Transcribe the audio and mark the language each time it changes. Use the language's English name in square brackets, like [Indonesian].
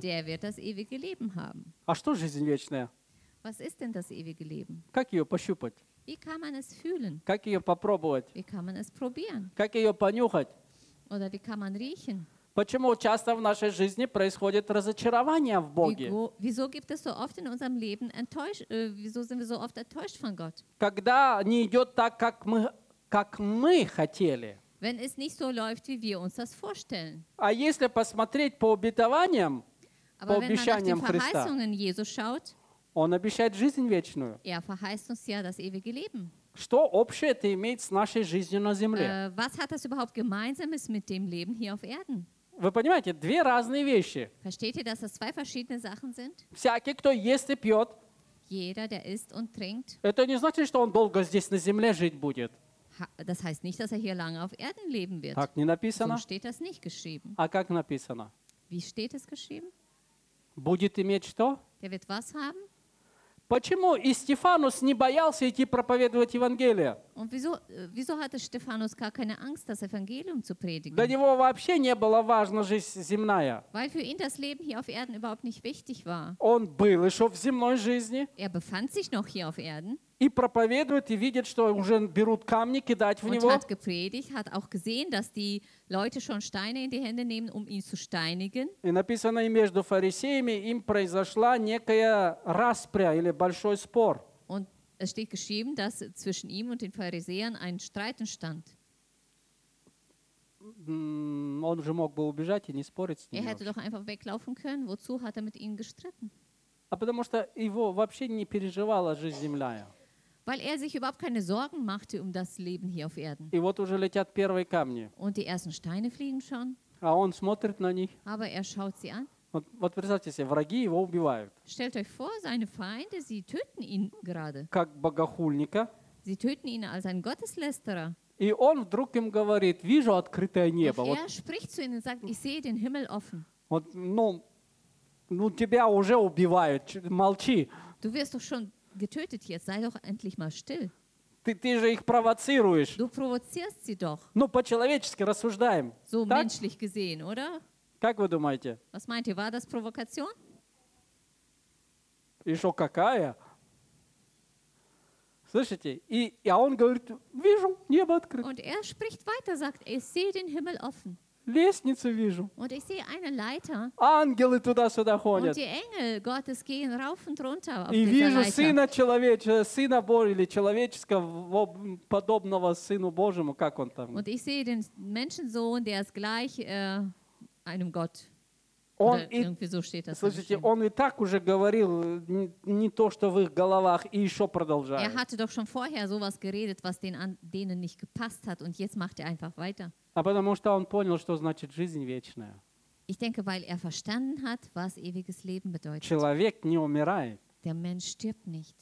[German] Der wird das ewige Leben haben. [Russian] А что жизнь вечная? [German] Was ist denn das ewige Leben? [Russian] Как ее пощупать? [German] Wie kann man es fühlen? [Russian] Как ее попробовать? [German] Wie kann man es probieren? [Russian] Как ее понюхать? [German] Oder wie kann man riechen? [Russian] Почему часто в нашей жизни происходит разочарование в Боге? [German] Wieso gibt es so oft in unserem Leben wieso sind wir so oft enttäuscht von Gott? [Russian] Когда не идет так, как мы хотели. [German] Wenn es nicht so läuft, wie wir uns das vorstellen. [Russian] А если посмотреть по обетованиям, [German] Aber [Russian] по обещаниям Христа, [German] Verheißungen Jesus schaut, [Russian] Он обещает жизнь вечную. [German] Er verheißt uns ja das ewige Leben. [Russian] Что общее это имеет с нашей жизнью на земле? [German] Was hat das überhaupt gemeinsames mit dem Leben hier auf Erden? [Russian] Вы понимаете, две разные вещи. [German] Versteht ihr, dass das zwei verschiedene Sachen sind? [Russian] Всякий, кто ест и пьет, [German] jeder, der isst und trinkt, [Russian] это не значит, что он долго здесь на земле жить будет. [German] Das heißt nicht, dass er hier lange auf Erden leben wird. [Russian] Так не написано. [German] So steht das nicht geschrieben. [Russian] А как написано? [German] Wie steht es geschrieben? [Russian] Будет иметь что? [German] Der wird was haben? [Russian] Почему и Стефанус не боялся идти проповедовать Евангелие? [German] Und wieso hatte Stephanus gar keine Angst, das Evangelium zu predigen? [Russian] Для него вообще не было важно жизнь земная. [German] Weil für ihn das Leben hier auf Erden überhaupt nicht wichtig war. [Russian] Он был еще в земной жизни. [German] Er befand sich noch hier auf Erden. [Russian] И проповедует, и видит, что уже берут камни кидать в него. [German] Und hat gepredigt, hat auch gesehen, dass die Leute schon Steine in die Hände nehmen, um ihn zu steinigen. [Russian] И написано, и между фарисеями им произошла некая распря или большой спор. [German] Und es steht geschrieben, dass zwischen ihm und den Pharisäern ein Streit entstand. [Russian] Он же мог бы убежать и не спорить с ними. [German] Er hätte doch einfach weglaufen können. Wozu hat er mit ihnen gestritten? [Russian] А потому что его вообще не переживала жизнь земная. [German] Weil er sich überhaupt keine Sorgen machte um das Leben hier auf Erden. [Russian] И вот уже летят первые камни. [German] Und die ersten Steine fliegen schon. [Russian] А он смотрит на них. [German] Aber er schaut sie an. [Russian] Вот представьте себе, враги его убивают. [German] Stellt euch vor, seine Feinde, sie töten ihn gerade. [Russian] Как богохульника. [German] Sie töten ihn als einen Gotteslästerer. [Russian] И он вдруг им говорит, вижу открытое небо. [German] Und er spricht zu ihnen und sagt, ich sehe den Himmel offen. [Russian] Вот, ну тебя уже убивают, молчи. [German] Du wirst doch schon getötet jetzt, sei doch endlich mal still. [Russian] Ты же их провоцируешь. [German] Du provozierst sie doch. [Russian] Ну, по-человечески рассуждаем. [German] So [Russian] так? [German] Menschlich gesehen, oder? [Russian] Как вы думаете? [German] Was meint ihr, war das Provokation? [Russian] Еще какая? Слышите? И он говорит, вижу, небо открыто. [German] Und er spricht weiter, sagt, ich sehe den Himmel offen. [Russian] Лестницу вижу. [German] Und ich sehe eine Leiter. [Russian] Ангелы туда-сюда ходят. [German] Und die Engel Gottes gehen rauf und runter auf dieser Leiter. [Russian] И вижу Сына человеческого, Сына Божьего или человеческого, подобного Сыну Божьему, как он там. [German] Und ich sehe den Menschensohn, der ist gleich einem Gott. [Russian] Он [German] irgendwie so steht das. [Russian] Слушайте, он и так уже говорил не то, что в их головах, и еще продолжает. [German] Er hatte doch schon vorher sowas geredet, was denen nicht gepasst hat, und jetzt macht er einfach weiter. [Russian] А потому что он понял, что значит жизнь вечная. [German] Ich denke, weil er verstanden hat, was ewiges Leben bedeutet. [Russian] Человек не умирает. [German] Der Mensch stirbt nicht.